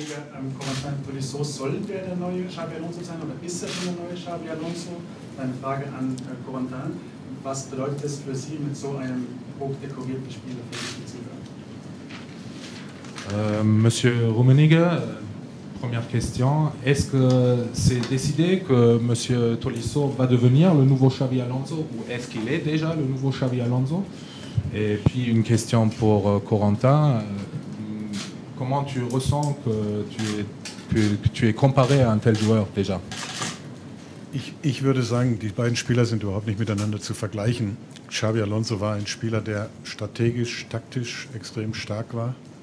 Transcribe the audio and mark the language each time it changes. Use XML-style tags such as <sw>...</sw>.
<de>Kommandant Polisso, soll der neue Xabi Alonso sein oder ist er schon der neue Xabi Alonso? Eine Frage an Kommandant. Was bedeutet es für Sie, mit so einem hochdekorierten Spieler für die Spitze zu werden?</de> <fr>Monsieur Rummenigge, première question. Est-ce que c'est décidé que M. Tolisso va devenir le nouveau Xabi Alonso ou est-ce qu'il est déjà le nouveau Xabi Alonso? Et puis une question pour Corentin. Comment tu ressens que tu es comparé à un tel joueur déjà?</fr> <de>Ich würde sagen, die beiden Spieler sind überhaupt nicht miteinander zu vergleichen. Xabi Alonso war ein Spieler, der strategisch, taktisch extrem stark war.</de>